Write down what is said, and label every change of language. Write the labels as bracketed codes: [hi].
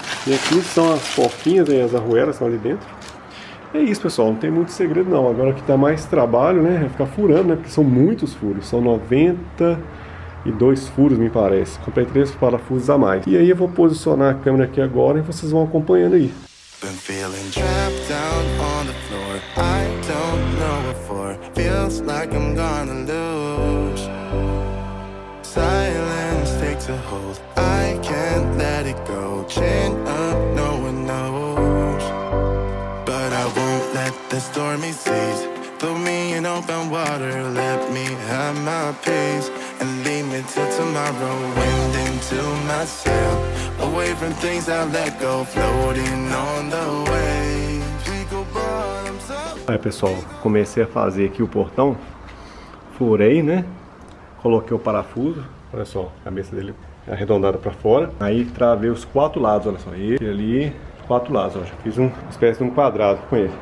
[pt] E aqui são as porquinhas, né, as arruelas estão ali dentro. É isso, pessoal, não tem muito segredo não. Agora que tá mais trabalho, né, ficar furando, né, porque são muitos furos, são 92 furos, me parece. Comprei 3 parafusos a mais. E aí eu vou posicionar a câmera aqui agora e vocês vão acompanhando aí. [en] Been feeling trapped down on the floor. I don't know what for. Feels like I'm gonna lose. Silence takes a hold. I can't let it go. Chain up, no one knows. But I won't let the stormy seas throw me in open water. Let me have my peace and lead me to tomorrow. Wind into my sail. Away from things I let go. Floating on the waves. We go bottoms up. [pt] Aí, pessoal, comecei a fazer aqui o portão. Furei, né? Coloquei o parafuso. Olha só, a cabeça dele arredondada para fora. Aí travei os 4 lados, olha só. E ali, 4 lados, ó. Já fiz uma espécie de um quadrado com ele.